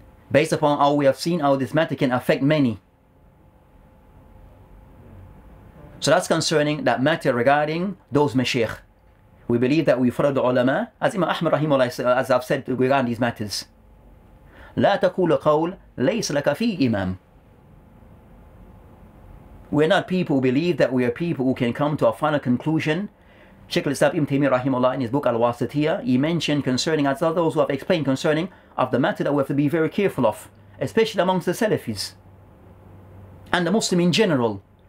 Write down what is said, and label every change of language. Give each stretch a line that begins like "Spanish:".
English: Based upon how we have seen how this matter can affect many. So that's concerning that matter regarding those mashaykh. We believe that we follow the ulama, as Imam Ahmad rahimahullah, as I've said regarding these matters.
Arabic: لا تقول قول ليس لك في إمام.
English: We're not people who believe that we are people who can come to a final conclusion. Sheikh al-Islam Ibn Taymiyyah rahimahullah, in his book Al-Wasitiyah, he mentioned concerning, as those who have explained concerning, of the matter that we have to be very careful of, especially amongst the Salafis and the Muslim in general.